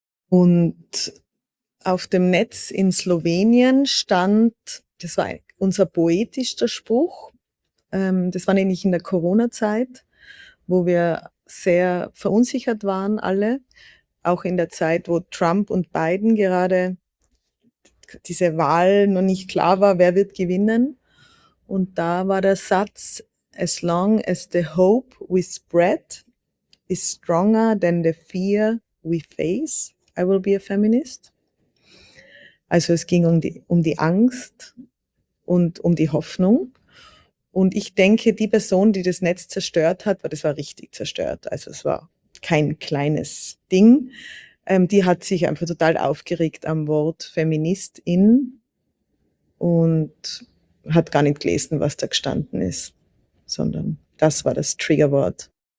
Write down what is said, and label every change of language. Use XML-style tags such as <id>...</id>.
<de>Und auf dem Netz in Slowenien stand, das war unser poetischster Spruch, das war nämlich in der Corona-Zeit, wo wir sehr verunsichert waren alle, auch in der Zeit, wo Trump und Biden gerade diese Wahl noch nicht klar war, wer wird gewinnen. Und da war der Satz,</de> <en>as long as the hope we spread is stronger than the fear we face, I will be a feminist.</en> <de>Also es ging um die Angst und um die Hoffnung. Und ich denke, die Person, die das Netz zerstört hat, weil das war richtig zerstört, also es war kein kleines Ding, die hat sich einfach total aufgeregt am Wort Feministin und hat gar nicht gelesen, was da gestanden ist, sondern das war das Triggerwort.</de>